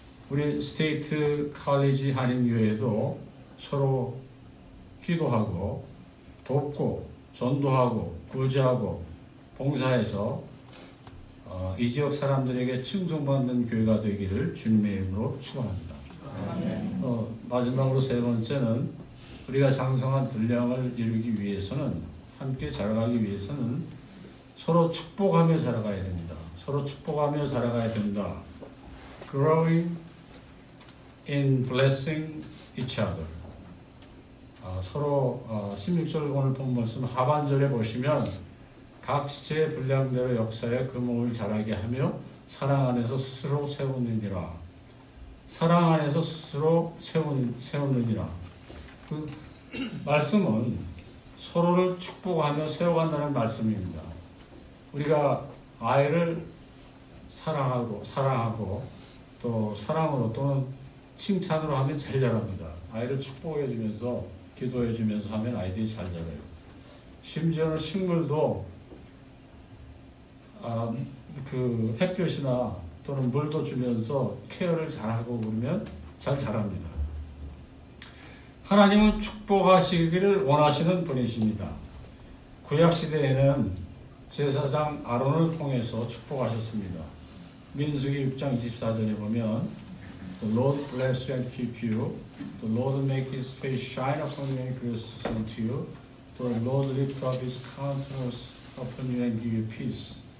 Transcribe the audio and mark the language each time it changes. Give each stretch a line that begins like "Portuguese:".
Korean: 우리 스테이트 칼리지 한인교회도 서로 기도하고 돕고 전도하고 구제하고 봉사해서 이 지역 사람들에게 칭송받는 교회가 되기를 주님의 이름으로 축원합니다. 마지막으로 세 번째는 우리가 장성한 분량을 이루기 위해서는 함께 자라가기 위해서는 서로 축복하며 자라가야 됩니다. 서로 축복하며 자라가야 됩니다.
English: Growing in blessing each other.
Korean: 서로 16절 오늘 본 말씀 하반절에 보시면 각 지체의 분량대로 역사에 그 몸을 자라게 하며 사랑 안에서 스스로 세우느니라. 사랑 안에서 스스로 세우느니라. 그 말씀은 서로를 축복하며 세워간다는 말씀입니다. 우리가 아이를 사랑하고 또 사랑으로 또는 칭찬으로 하면 잘 자랍니다. 아이를 축복해주면서 기도해주면서 하면 아이들이 잘 자라요. 심지어는 식물도 그 햇볕이나 또는 물도 주면서 케어를 잘하고 그러면 잘 자랍니다. 하나님은 축복하시기를 원하시는 분이십니다. 구약시대에는 제사장 아론을 통해서 축복하셨습니다. 민수기 6장 24절에 보면
English: The Lord bless you and keep you. The Lord make his face shine upon you and gracious unto you. The Lord lift up his countenance upon you and give you peace.